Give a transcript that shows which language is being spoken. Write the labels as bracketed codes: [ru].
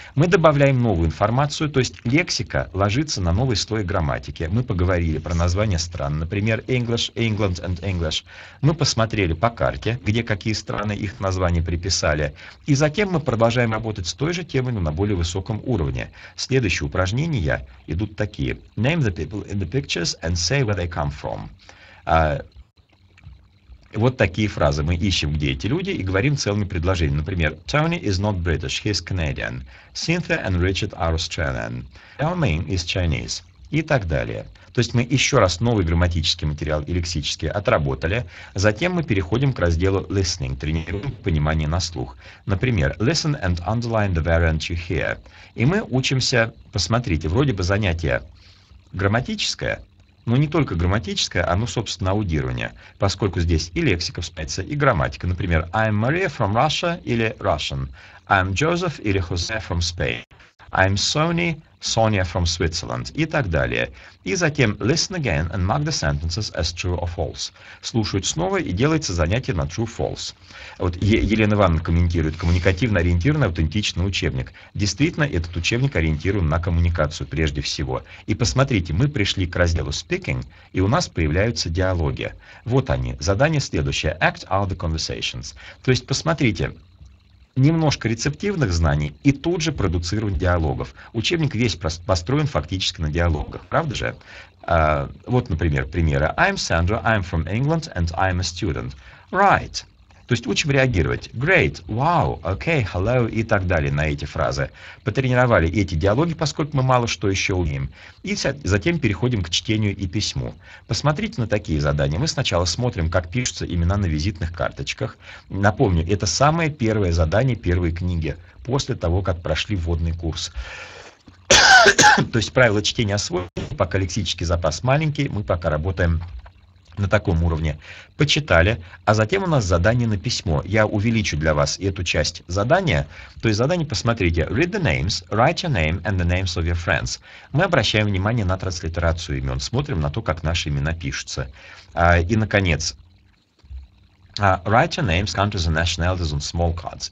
[ru] Мы добавляем новую информацию, то есть лексика ложится на новый слой грамматики. Мы поговорили про названия стран, например, [en] English, England and English. [ru] Мы посмотрели по карте, где какие страны их названия приписали. И затем мы продолжаем работать с той же темой, но на более высоком уровне. Следующие упражнения идут такие. [en] Name the people in the pictures and say where they come from. [ru] Вот такие фразы. Мы ищем, где эти люди, и говорим целыми предложениями. Например, [en] Tony is not British, he is Canadian. Cynthia and Richard are Australian. Our name is Chinese. [ru] И так далее. То есть мы еще раз новый грамматический материал и лексический отработали. Затем мы переходим к разделу listening, тренируем понимание на слух. Например, [en] listen and underline the variant you hear. [ru] И мы учимся, посмотрите, вроде бы занятие грамматическое, но не только грамматическое, оно, собственно, аудирование, поскольку здесь и лексика вспоминается, и грамматика. Например, [en] I'm Maria from Russia [ru] или [en] Russian. I'm Joseph или Jose from Spain. I'm Sony, Sonia from Switzerland, [ru] и так далее. И затем [en] listen again and mark the sentences as true or false. [ru] Слушают снова и делается занятие на true-false. Вот Елена Ивановна комментирует, коммуникативно ориентированный аутентичный учебник. Действительно, этот учебник ориентирован на коммуникацию прежде всего. И посмотрите, мы пришли к разделу speaking, и у нас появляются диалоги. Вот они. Задание следующее. [en] Act out the conversations. [ru] То есть, посмотрите, немножко рецептивных знаний и тут же продуцировать диалогов. Учебник весь построен фактически на диалогах, правда же? Вот, например, примеры. [en] I'm Sandra, I'm from England, and I'm a student. Right. [ru] То есть учим реагировать. [en] Great, wow, okay, hello [ru] и так далее на эти фразы. Потренировали эти диалоги, поскольку мы мало что еще умеем. И затем переходим к чтению и письму. Посмотрите на такие задания. Мы сначала смотрим, как пишутся имена на визитных карточках. Напомню, это самое первое задание первой книги после того, как прошли вводный курс. То есть правила чтения освоены, пока лексический запас маленький, мы пока работаем на таком уровне, почитали, а затем у нас задание на письмо. Я увеличу для вас эту часть задания. То есть задание, посмотрите, [en] read the names, write your name and the names of your friends. [ru] Мы обращаем внимание на транслитерацию имен, смотрим на то, как наши имена пишутся. И, наконец, [en] write your names, countries and nationalities on small cards.